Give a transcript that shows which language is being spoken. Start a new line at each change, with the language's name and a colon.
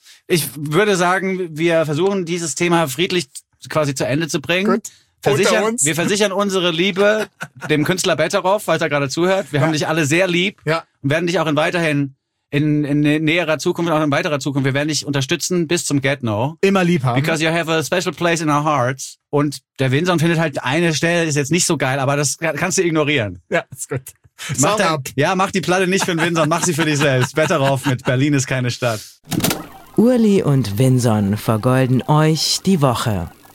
German: Ich würde sagen, wir versuchen dieses Thema friedlich quasi zu Ende zu bringen. Gut. Wir versichern unsere Liebe dem Künstler Betteroff, falls er gerade zuhört. Wir haben dich alle sehr lieb. Ja. Und werden dich auch in weiterer Zukunft, wir werden dich unterstützen bis zum Get-No. Immer lieb haben.
English: Because you have a special place in our hearts.
German: Und der Winson findet halt, eine Stelle ist jetzt nicht so geil, aber das kannst du ignorieren. Ja, ist gut. Mach die Platte nicht für den Winson, mach sie für dich selbst. Better off mit Berlin ist keine Stadt. Urli und Winson vergolden euch die Woche.